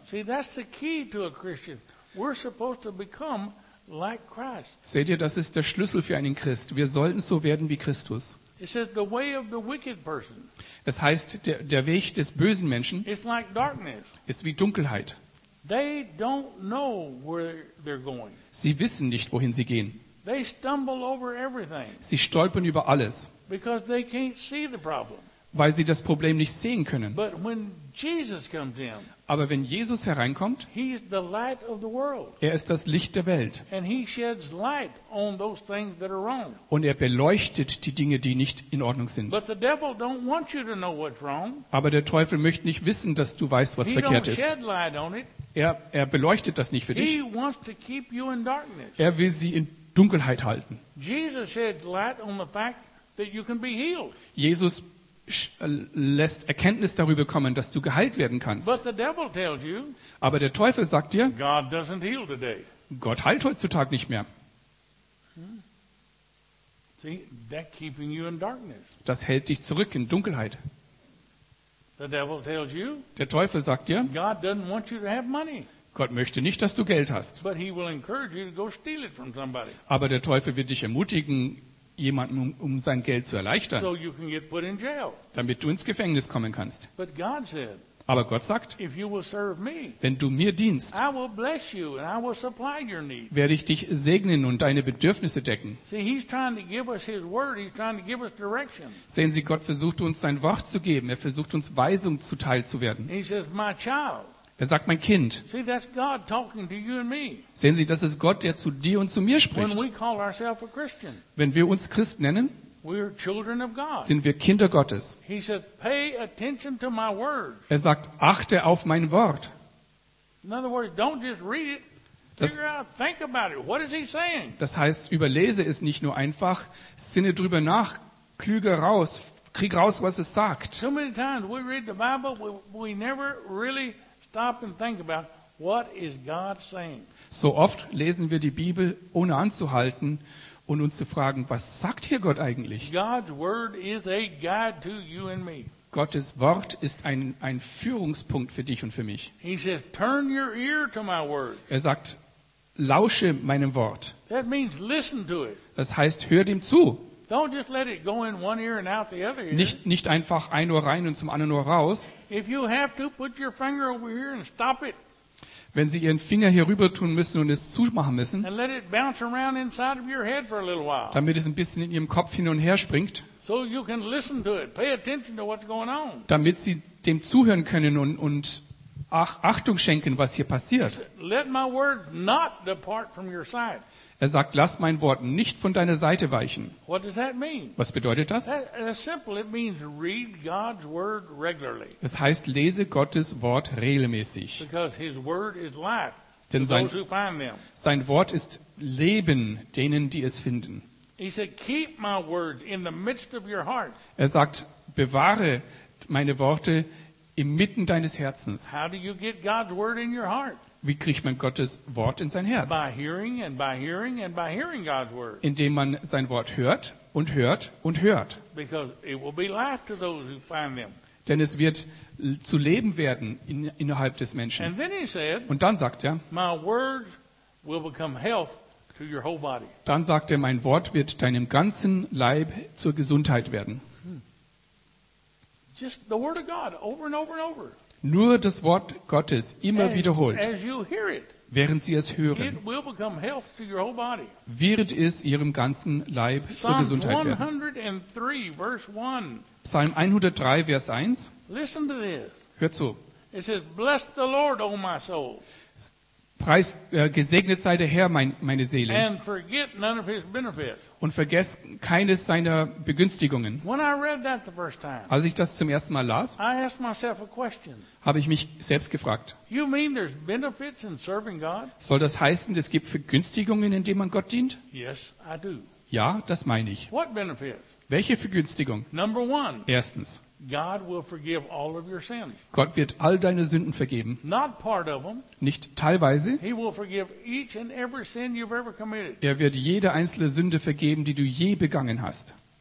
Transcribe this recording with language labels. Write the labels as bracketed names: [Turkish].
[German] Sieh, das ist der Schlüssel zu einem Christen. [English] We're supposed to become like Christ. [German] Seht ihr, das ist der Schlüssel für einen Christ. Wir sollten so werden wie Christus. [English] It says the way of the wicked person. [German] Es heißt, der Weg des bösen Menschen ist wie Dunkelheit. [English] They don't know where they're going. [German] Sie wissen nicht, wohin sie gehen. [English] They stumble over everything. [German] Sie stolpern über alles. [English] Because they can't see the problem. [German] Weil sie das Problem nicht sehen können. [English] But when Jesus comes in, [German] aber wenn Jesus hereinkommt, [English] he is the light of the world. [German] Er ist das Licht der Welt. [English] And he sheds light on those things that are wrong. [German] Und er beleuchtet die Dinge, die nicht in Ordnung sind. [English] But the devil don't want you to know what's wrong. [German] Aber der Teufel möchte nicht wissen, dass du weißt, was [English] he [German] verkehrt [English] don't [German] ist. [English] Shed light on it. [German] Er beleuchtet das nicht für [English] he [German] dich. [English] Wants to keep you in darkness. [German] Er will sie in Dunkelheit halten. [English] Jesus sheds light on the fact that you can be healed. [German] Jesus lässt Erkenntnis darüber kommen, dass du geheilt werden kannst. [English] But the devil tells you, [German] aber der Teufel sagt dir, [English] God doesn't heal today. [German] Gott heilt heutzutage nicht mehr. [English] See, that keeping you in darkness. [German] Das hält dich zurück in Dunkelheit. [English] The devil tells you, [German] der Teufel sagt dir, [English] God doesn't want you to have money. [German] Gott möchte nicht, dass du Geld hast. [English] But he will encourage you to go steal it from somebody. [German] Aber der Teufel wird dich ermutigen, jemanden um sein Geld zu erleichtern, [English] so you can get put in jail. [German] Damit du ins Gefängnis kommen kannst. [English] But God said, [German] aber Gott sagt, [English] if you will serve me, [German] wenn du mir dienst, [English] I will bless you and I will supply your needs. [German] Werde ich dich segnen und deine Bedürfnisse decken. Sehen Sie, Gott versucht uns sein Wort zu geben. Er versucht uns Weisung zuteil zu werden. [English] He says, my child. [German] Er sagt, mein Kind. [English] See, that's God talking to you and me. [German] Sehen Sie, das ist Gott, der zu dir und zu mir spricht. [English] When we call ourselves a Christian, [German] wenn wir uns Christ nennen, [English] we're children of God. [German] Sind wir Kinder Gottes. [English] He said, pay attention to my words. [German] Er sagt, achte auf mein Wort. [English] In other words, don't just read it. Think about it. What is he saying? [German] Das heißt, überlese es nicht nur einfach, sinne drüber nach, klüge raus, krieg raus, was es sagt. [English] So many times we read the Bible, we never really stop and think about what is God saying. [German] So oft lesen wir die Bibel ohne anzuhalten und uns zu fragen, was sagt hier Gott eigentlich? [English] God's word is a guide to you and me. [German] Gottes Wort ist ein Führungspunkt für dich und für mich. [English] He says, turn your ear to my word. [German] Er sagt, lausche meinem Wort. [English] That means listen to it. [German] Das heißt, hör dem zu. [English] Don't just let it go in one ear and out the other ear. [German] Nicht einfach ein Ohr rein und zum anderen Ohr raus. [English] If you have to, put your finger over here and stop it. [German] Wenn Sie Ihren Finger hier rüber tun müssen und es zumachen müssen, [English] and let it bounce around inside of your head for a little while. [German] Damit es ein bisschen in Ihrem Kopf hin und her springt. [English] So you can listen to it. Pay attention to what's going on. [German] Damit Sie dem zuhören können und Achtung schenken, was hier passiert. [English] Let my word not depart from your sight. [German] Er sagt, lass mein Wort nicht von deiner Seite weichen. [English] What does that mean? [German] Was bedeutet das? [English] Simple, it means read God's word regularly. [German] Es heißt, lese Gottes Wort regelmäßig. [English] Because his word is life. [German] Denn sein Wort ist Leben denen, die es finden. [English] He said, keep my words in the midst of your heart. [German] Er sagt, bewahre meine Worte inmitten deines Herzens. [English] How do you get God's word in your heart? [German] Wie kriegt man Gottes Wort in sein Herz? [English] By hearing and by hearing and by hearing God's word. [German] Indem man sein Wort hört und hört und hört. [English] Because it will be life to those who find them. [German] Denn es wird zu Leben werden innerhalb des Menschen. [English] And then he said, [German] und dann sagt er, [English] my word will become health to your whole body. [German] Dann sagt er, mein Wort wird deinem ganzen Leib zur Gesundheit werden. [English] Just the word of God over and over and over. [German] Nur das Wort Gottes immer wiederholt. [English] As you hear it, [German] während sie es hören. [English] It will become health to your whole body. [German] Wird es ihrem ganzen Leib zur Gesundheit werden. [English] Psalm 103, verse 1. [German] Psalm 103, Vers 1. [English] Listen to this. [German] Hört zu. [English] It says, bless the Lord, O my soul. [German] Preis, gesegnet sei der Herr, meine Seele. [English] And forget none of his benefits. [German] Und vergesst keines seiner Begünstigungen. [English] When I read that the first time, [German] als ich das zum ersten Mal las, [English] I asked myself a question. [German] Habe ich mich selbst gefragt, [English] you mean there's benefits in serving God? [German] Soll das heißen, es gibt Vergünstigungen, indem man Gott dient? [English] Yes, I do. [German] Ja, das meine ich. [English] What benefits? [German] Welche Vergünstigung? [English] Number one, [German] erstens, [English] God will forgive all of your sins. [German] Gott wird all deine Sünden vergeben. [English] Not part of them. [German] Nicht teilweise. [English] He will forgive each and every sin you've ever committed. [German] Er wird jede einzelne Sünde vergeben, die du je begangen hast.